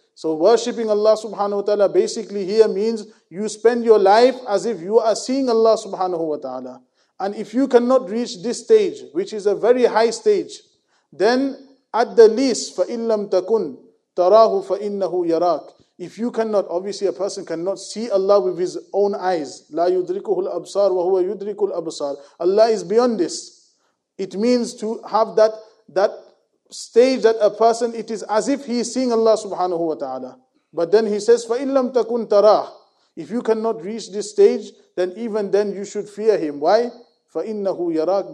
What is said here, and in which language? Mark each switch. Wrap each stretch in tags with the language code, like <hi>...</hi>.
<en>So worshipping Allah subhanahu wa ta'ala basically here means you spend your life as if you are seeing Allah subhanahu wa ta'ala. And if you cannot reach this stage, which is a very high stage, then at the least,</en> <ar>فَإِنْ لَمْ تَكُنْ تَرَاهُ فَإِنَّهُ يَرَاكُ.</ar> <en>If you cannot, obviously a person cannot see Allah with his own eyes.</en> <ar>لا يدركه الأبصار وهو يدرك الأبصار.</ar> <en>Allah is beyond this. It means to have that stage that a person, it is as if he is seeing Allah subhanahu wa ta'ala. But then he says,</en> <ar>فَإِنْ لَمْ تَكُنْ تَرَاهُ.</ar> <en>If you cannot reach this stage, then even then you should fear him. Why?</en> <ar>فَإِنَّهُ يَرَاكُ.</ar>